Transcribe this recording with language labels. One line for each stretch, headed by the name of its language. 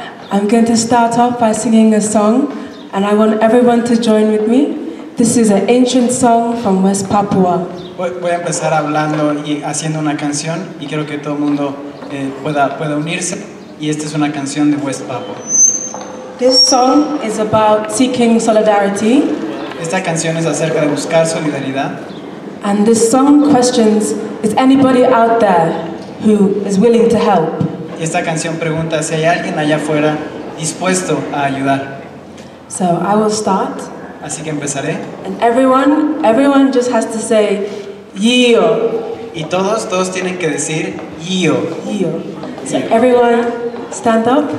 English: I'm going to start off by singing a song, and I want everyone to join with me. This is an ancient song from West Papua.
Spanish: Voy a empezar hablando y haciendo una canción y quiero que todo el mundo pueda unirse. Y esta es una canción de West Papua.
English: This song is about seeking solidarity.
Spanish: Esta canción es acerca de buscar solidaridad.
English: And this song questions, is anybody out there who is willing to help?
Spanish: Y esta canción pregunta si hay alguien allá afuera dispuesto a ayudar.
English: So I will start.
Spanish: Así que empezaré.
English: And everyone just has to say yio.
Spanish: Y todos tienen que decir yio.
English: Yio. So everyone stand up.